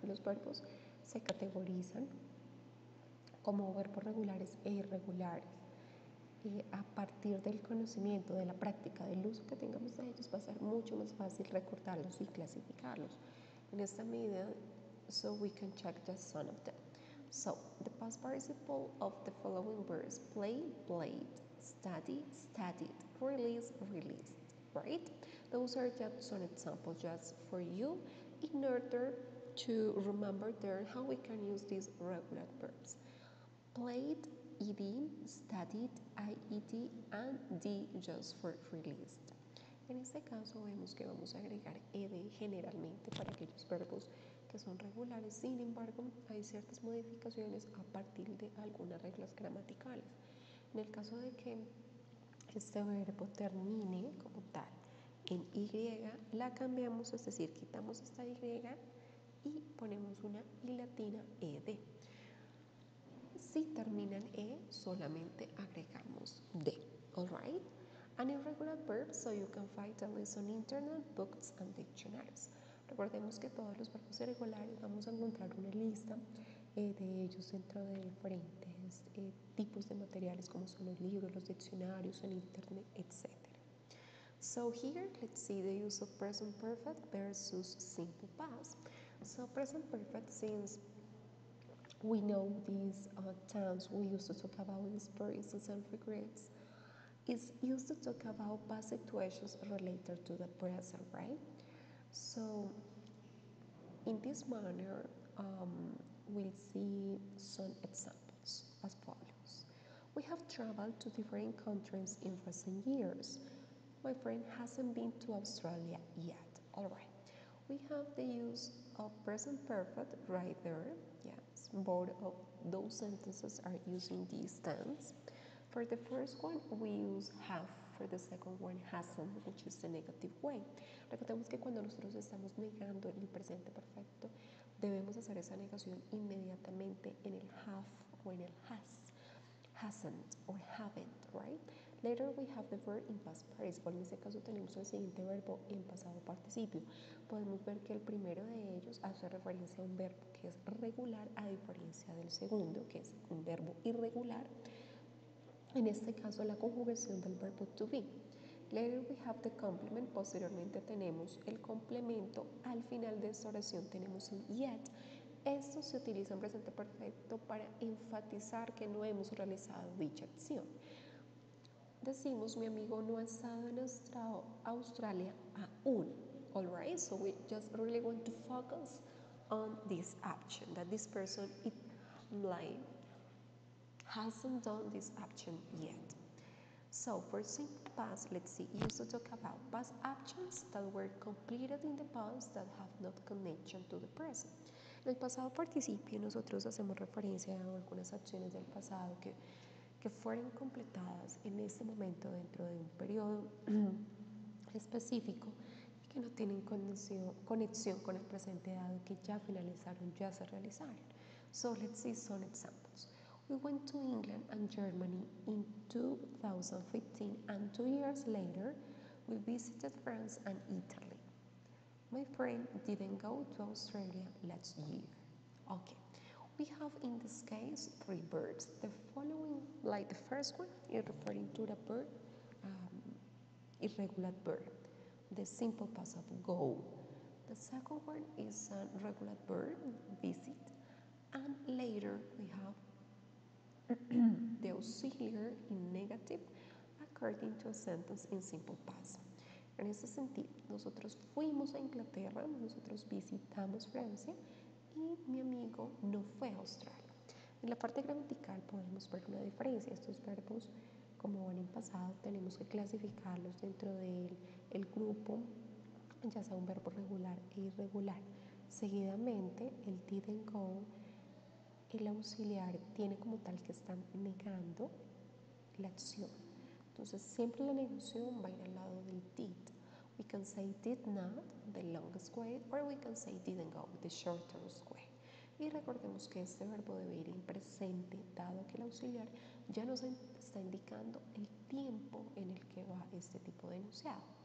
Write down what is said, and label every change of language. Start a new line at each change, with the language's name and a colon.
Spanish: Los verbos se categorizan como verbos regulares e irregulares. Y a partir del conocimiento, de la práctica, del uso que tengamos de ellos, va a ser mucho más fácil recortarlos y clasificarlos. En esta medida,
English: so we can check just some of them. So, the past participle of the following verbs: play, played, study, studied, release, released, right? Those are just some examples just for you in order to remember there how we can use these regular verbs. Played, ed, studied, ied, and d just for released.
Spanish: En este caso vemos que vamos a agregar ed generalmente para aquellos verbos que son regulares. Sin embargo, hay ciertas modificaciones a partir de algunas reglas gramaticales. En el caso de que este verbo termine como tal en y, la cambiamos, es decir, quitamos esta y y ponemos una y latina ed. Si terminan e, solamente agregamos d.
English: All right? An irregular verb, so you can find a list on internet, books, and dictionaries.
Spanish: Recordemos que todos los verbos irregulares vamos a encontrar una lista de ellos dentro de diferentes tipos de materiales como son los libros, los diccionarios, en internet, etc.
English: So here, let's see the use of present perfect versus simple past. So present perfect, since we know these terms we used to talk about experiences and regrets, is used to talk about past situations related to the present, right? So, in this manner, we'll see some examples as follows. We have traveled to different countries in recent years. My friend hasn't been to Australia yet. All right. We have the use of present perfect right there. Yes, both of those sentences are using these tense. For the first one, we use have. For the second one, hasn't, which is the negative way.
Spanish: Recordemos que cuando nosotros estamos negando el presente perfecto, debemos hacer esa negación inmediatamente en el have o en el has.
English: Hasn't or haven't, right? Later we have the verb in past participle.
Spanish: En este caso tenemos el siguiente verbo en pasado participio. Podemos ver que el primero de ellos hace referencia a un verbo que es regular, a diferencia del segundo, que es un verbo irregular. En este caso, la conjugación del verbo to be.
English: Later we have the complement.
Spanish: Posteriormente tenemos el complemento. Al final de esta oración tenemos el yet. Esto se utiliza en presente perfecto para enfatizar que no hemos realizado dicha acción. Decimos, mi amigo no ha estado en Australia aún.
English: Alright, so we just really want to focus on this action, that this person is like hasn't done this action yet. So for simple past, let's see, used to talk about past actions that were completed in the past that have no connection to the present.
Spanish: En el pasado participio nosotros hacemos referencia a algunas acciones del pasado que fueron completadas en este momento dentro de un periodo específico y que no tienen conexión con el presente dado que ya finalizaron, ya se realizaron.
English: So let's see some examples. We went to England and Germany in 2015, and 2 years later, we visited France and Italy. My friend didn't go to Australia last year. Okay, we have in this case three verbs. The following, like the first one, is referring to the verb, irregular verb, the simple past of go. The second one is a regular verb, visit, and later we have the auxiliary in negative according to a sentence in simple past.
Spanish: En ese sentido, nosotros fuimos a Inglaterra, nosotros visitamos Francia y mi amigo no fue a Australia. En la parte gramatical podemos ver una diferencia. Estos verbos, como van en pasado, tenemos que clasificarlos dentro del grupo, ya sea un verbo regular e irregular. Seguidamente, el didn't go, el auxiliar tiene como tal que están negando la acción. Entonces, siempre la negación va a ir al lado del did.
English: We can say did not, the longest way, or we can say didn't go, the shortest way.
Spanish: Y recordemos que este verbo debe ir en presente, dado que el auxiliar ya nos está indicando el tiempo en el que va este tipo de enunciado.